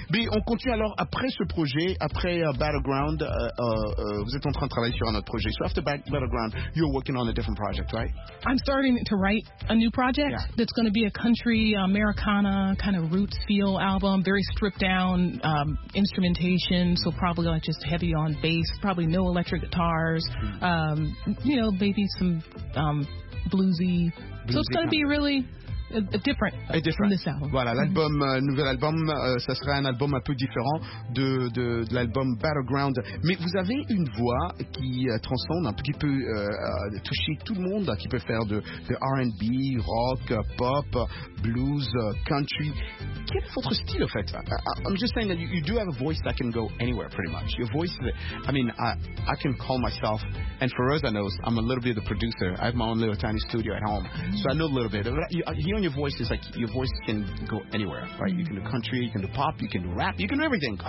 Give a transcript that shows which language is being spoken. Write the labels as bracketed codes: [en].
[fr] Mais on continue alors après ce projet, après Battleground. Vous êtes en train de travailler sur un autre projet. [en] So after Battleground, you're working on a different project, right? I'm starting to write a new project that's going to be a country Americana kind of roots feel album. Very stripped down instrumentation. So probably like just heavy on bass. Probably no electric guitars. You know, maybe some... Bluesy. So it's going to be really different from this album. [fr] Voilà, l'album, nouvel album, ça sera un album un peu différent de l'album Battleground. Mais vous avez une voix qui transcende un petit peu, toucher tout le monde, qui peut faire de R&B, rock, pop, blues, country. Quel est votre style, en fait? [en] I'm just saying that you do have a voice that can go anywhere, pretty much. Your voice, I mean, I can call myself, and for Rosa knows, I'm a little bit of the producer. I have my own little tiny studio at home, so I know a little bit. You know, your voice is like, your voice can go anywhere, right? You can do country, you can do pop, you can do rap, you can do everything.